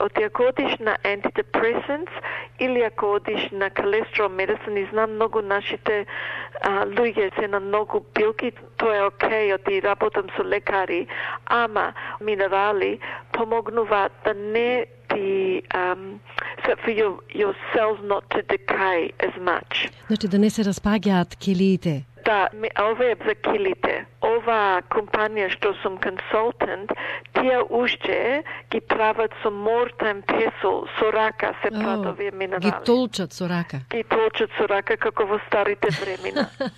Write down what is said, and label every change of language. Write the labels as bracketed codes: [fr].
[mk] И ако одиш на антидепресанс или ако одиш на колестерол медицин, и знам многу нашите луѓе се на многу билки, тоа е окей, оти работам со лекари, ама минерали помогнуваат да не ти... [en] So for your cells not to decay as much. [mk] Значи да не се распаѓаат килиите. Да, ова е за килиите. Ова компанија што сум консултант, тие уште ги прават со мортен песол, со рака се прават овие минерали. Ги толчат со рака. Ги толчат со рака како во старите времена.